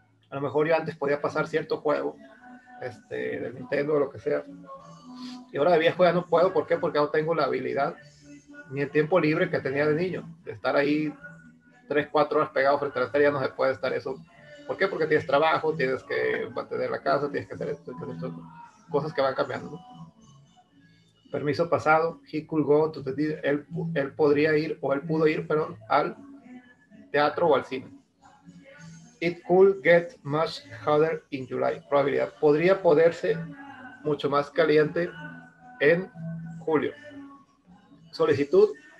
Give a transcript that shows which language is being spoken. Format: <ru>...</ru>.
<es>A lo mejor yo antes podía pasar cierto juego, de Nintendo o lo que sea. Y ahora de viejo ya no puedo. ¿Por qué? Porque no tengo la habilidad ni el tiempo libre que tenía de niño. De estar ahí 3, 4 horas pegado frente a la tele, ya no se puede estar eso. ¿Por qué? Porque tienes trabajo, tienes que mantener la casa, tienes que hacer esto, cosas que van cambiando, ¿no? Permiso pasado,</es> <en>he could go, to the theater.</en> <es>Él podría ir, o él pudo ir, perdón, al teatro o al cine.</es> <en>It could get much hotter in July. Probabilidad.</en> <es>Podría poderse mucho más caliente en julio. Solicitud.</es>